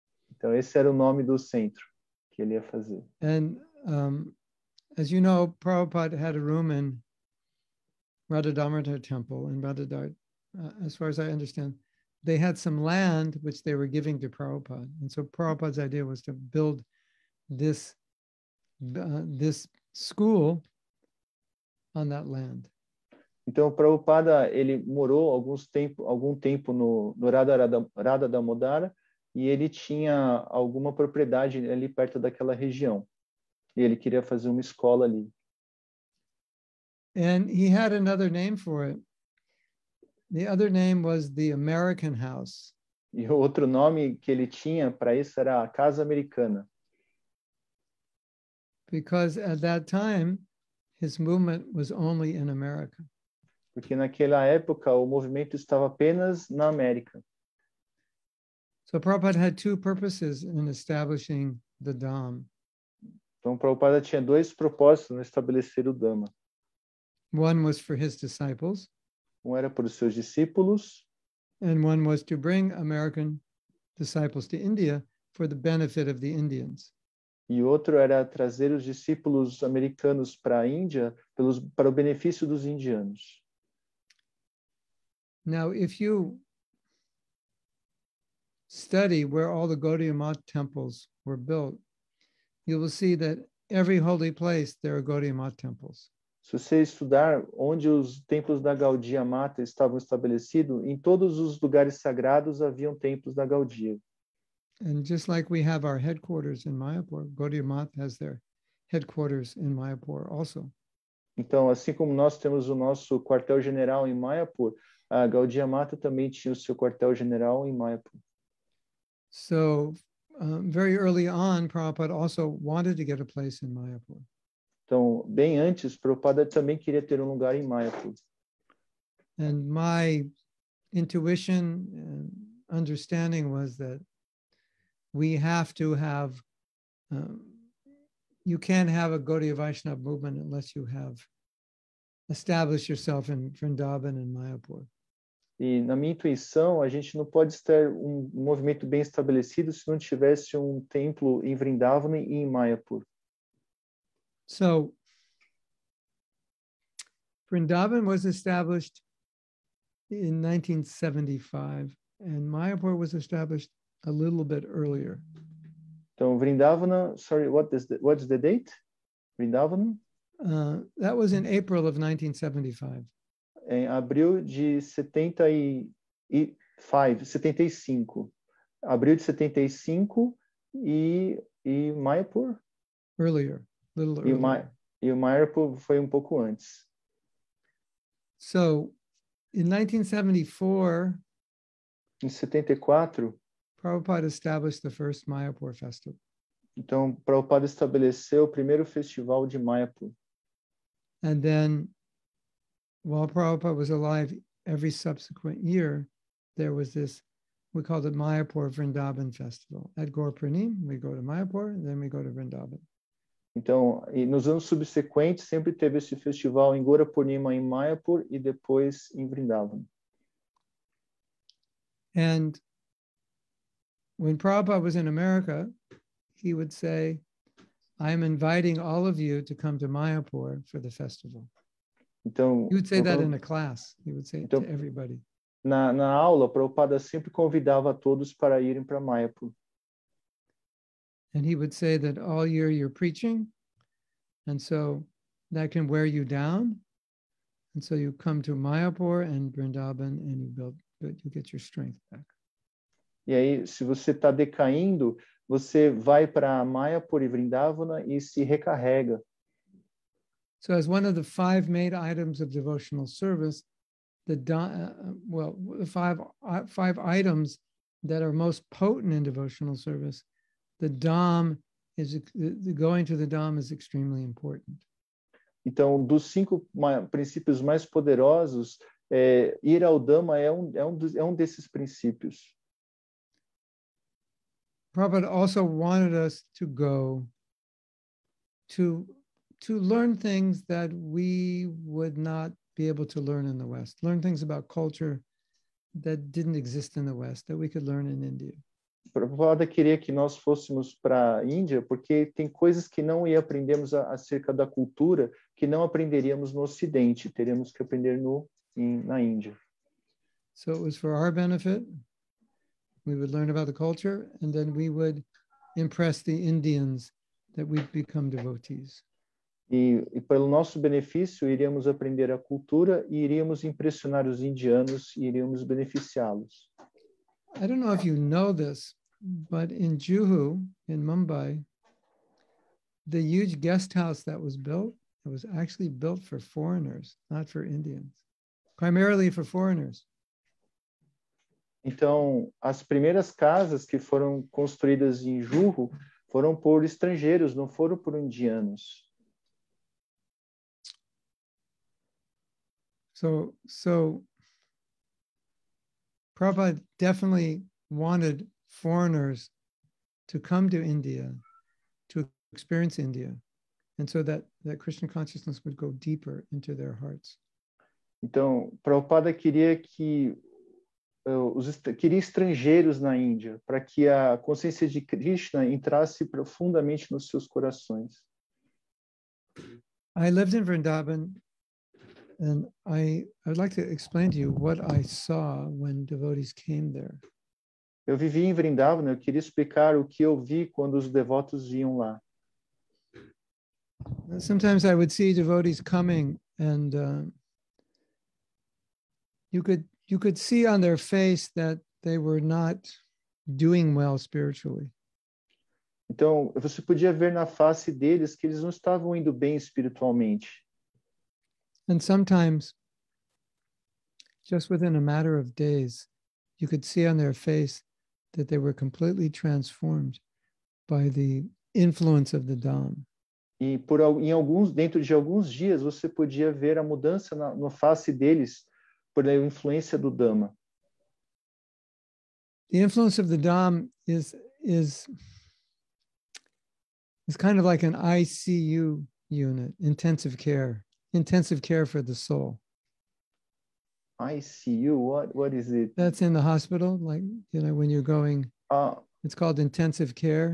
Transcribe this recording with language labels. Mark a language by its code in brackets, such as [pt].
[pt] Então, esse era o nome do centro que ele ia fazer. [en] And as you know, Prabhupada had a room in Radhadamrita Temple in Radhadart, as far as I understand. They had some land which they were giving to Prabhupada. And so Prabhupada's idea was to build this this school on that land. [pt] Então Prabhupada, ele morou algum tempo no Radhadamodara, e ele tinha alguma propriedade ali perto daquela região. E ele queria fazer uma escola ali. [en] And he had another name for it. The other name was the American House. [pt] E o outro nome que ele tinha para isso era a Casa Americana. [en] Because at that time, his movement was only in America. [pt] Porque naquela época o movimento estava apenas na América. [en] So Prabhupada had two purposes in establishing the Dham. [pt] Então Prabhupada tinha dois propósitos no estabelecer o Dhamma. [en] One was for his disciples. [pt] Um era para os seus discípulos. [en] And one was to bring American disciples to India for the benefit of the Indians. [pt] E outro era trazer os discípulos americanos para a Índia para o benefício dos indianos. [en] Now, if you study where all the Gaudiya Math temples were built, you will see that every holy place there are Gaudiya Math temples. [pt] Se você estudar onde os templos da Gaudiya Math estavam estabelecidos, em todos os lugares sagrados haviam templos da Gaudiya. [en] And just like we have our headquarters in Mayapur, Gaudiya Math has their headquarters in Mayapur also. [pt] Então, assim como nós temos o nosso quartel-general em Mayapur, a Gaudiya Math também tinha o seu quartel-general em Mayapur. [en] So, very early on, Prabhupada also wanted to get a place in Mayapur. [pt] Então, bem antes, Prabhupada também queria ter um lugar em Mayapur. [en] And my intuition and understanding was that we have to have, you can't have a Gaudiya Vaishnava movement unless you have established yourself in Vrindavan and Mayapur. [pt] E na minha intuição, a gente não pode ter um movimento bem estabelecido se não tivesse um templo em Vrindavan e em Mayapur. [en] So, Vrindavan was established in 1975 and Mayapur was established a little bit earlier. Então, Vrindavana, sorry, what's the date? Vrindavana? That was in April of 1975. [pt] Em abril de 75. Abril de 75 e Mayapur? [en] Earlier, a little earlier. [pt] E Mayapur foi um pouco antes. [en] So, in 1974... [pt] Em 74... [en] Prabhupada established the first Mayapur festival. [pt] Então, Prabhupada estabeleceu o primeiro festival de Mayapur. [en] And then, while Prabhupada was alive, every subsequent year, there was this, we called it Mayapur Vrindavan Festival. At Gaur Pranim, we go to Mayapur, and then we go to Vrindavan. [pt] Então, e nos anos subsequentes, sempre teve esse festival em Gaur Pranim, em Mayapur, e depois em Vrindavan. [en] And when Prabhupada was in America, he would say, I am inviting all of you to come to Mayapur for the festival. [pt] Então, [en] he would say that in a class. He would say it to everybody. [pt] Na aula, Prabhupada sempre convidava todos para irem para Mayapur. [en] And he would say that all year you're preaching, and so that can wear you down. And so you come to Mayapur and Vrindavan and you get your strength back. [pt] E aí, se você está decaindo, você vai para Mayapur e Vrindavana e se recarrega. [en] So as one of the five main items of devotional service, the five items that are most potent in devotional service, going to the Dham is extremely important. [pt] Então, dos cinco princípios mais poderosos, ir ao Dhamma é um desses princípios. [en] Prabhupada also wanted us to go to learn things that we would not be able to learn in the West, learn things about culture that didn't exist in the West, that we could learn in India. [pt] Prabhupada queria que nós fôssemos para a Índia porque tem coisas que não aprendemos acerca da cultura que não aprenderíamos no Ocidente, teríamos que aprender na Índia. [en] So it was for our benefit. We would learn about the culture and then we would impress the Indians that we'd become devotees. [pt] E pelo nosso benefício, iríamos aprender a cultura e iríamos impressionar os indianos e iríamos beneficiá-los. [en] I don't know if you know this, but in Juhu, in Mumbai, the huge guest house that was built, it was actually built for foreigners, not for Indians, primarily for foreigners. [pt] Então, as primeiras casas que foram construídas em Juhu foram por estrangeiros, não foram por indianos. [en] So Prabhupada definitely wanted foreigners to come to India, to experience India, and so that Krishna consciousness would go deeper into their hearts. [pt] Então, Prabhupada queria que queria estrangeiros na Índia, para que a consciência de Krishna entrasse profundamente nos seus corações. [en] I lived in Vrindavan, and I would like to explain to you what I saw when devotees came there. [pt] Eu vivi em Vrindavan, eu queria explicar o que eu vi quando os devotos iam lá. [en] Sometimes I would see devotees coming, and you could see on their face that they were not doing well spiritually. [pt] Então, você podia ver na face deles que eles não estavam indo bem espiritualmente. [en] And sometimes, just within a matter of days, you could see on their face that they were completely transformed by the influence of the Dham. [pt] E por em alguns dentro de alguns dias você podia ver a mudança na face deles por a influência do Dhamma. [en] The influence of the Dham is kind of like an ICU unit, intensive care for the soul. ICU, what is it? That's in the hospital, like, you know, when you're going, it's called intensive care.